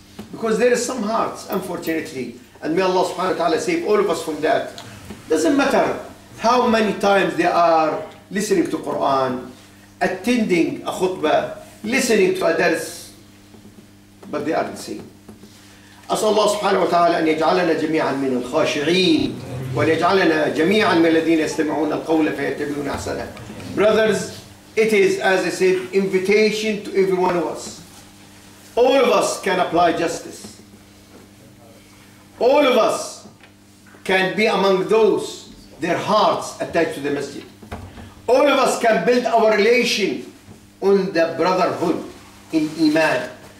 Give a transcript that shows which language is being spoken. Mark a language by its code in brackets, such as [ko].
[en] Because there is some hearts, unfortunately, and may Allah subhanahu wa ta'ala save all of us from that. Doesn't matter how many times they are listening to Quran, attending a khutbah, listening to a dars, but they are the same. [ar] أسأل الله سبحانه وتعالى أن يجعلنا جميعا من الخاشعين وأن يجعلنا جميعا من الذين يستمعون القول فيتبعون أحسنه. [en] Brothers, it is, as I said, invitation to every one of us. All of us can apply justice. All of us can be among those their hearts attached to the masjid. All of us can build our relation on the brotherhood in Iman.